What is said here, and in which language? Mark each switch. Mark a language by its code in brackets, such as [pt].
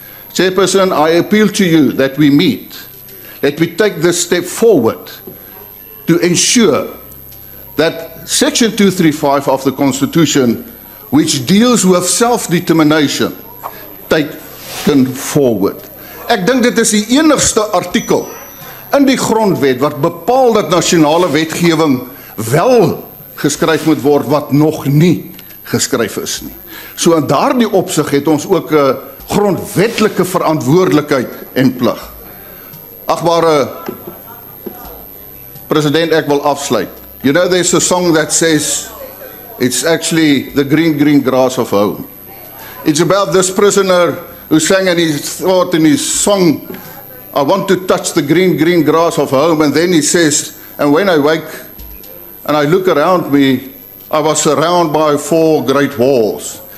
[en] Chairperson, I appeal to you that we meet, that we take this step forward to ensure that Section 235 of the Constitution, which deals with self-determination, teken forward. [af] Ek dink dit is die enigste artikel in die grondwet wat bepaal dat nasionale wetgewing wel geskryf moet word wat nog nie geskryf is nie. So in daardie opsig het ons ook 'n grondwetlike verantwoordelikheid en plig. Agbare president, ek wil afsluit. [en] You know there's a song that says it's actually the green green grass of home. It's about this prisoner who sang and he thought in his song, I want to touch the green, green grass of home. And then he says, and when I wake and I look around me, I was surrounded by four great walls.